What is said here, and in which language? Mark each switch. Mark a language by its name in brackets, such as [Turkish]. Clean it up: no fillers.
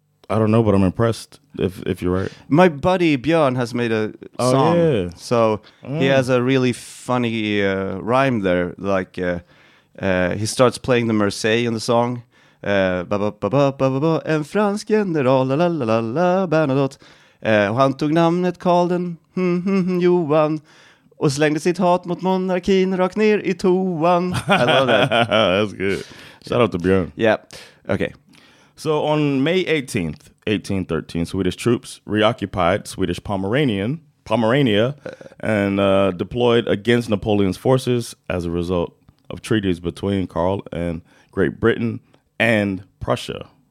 [English] I don't know, but I'm impressed if you're right. My buddy Björn has made a song. Oh, yeah. So he has a really funny rhyme there. Like he starts playing the Marseille in the song. [Swedish] En fransk general, la la la la, Bernadotte. Och han tog namnet Karl den Johan och slängde sitt hat mot monarkin rakt ner i toan. [English] I love that. That's good. Shout out to Björn. Yeah. Okay. So on May 18th, 1813, Swedish troops reoccupied Swedish Pomerania and deployed against Napoleon's forces as a result of treaties between Karl and Great Britain and Prussia.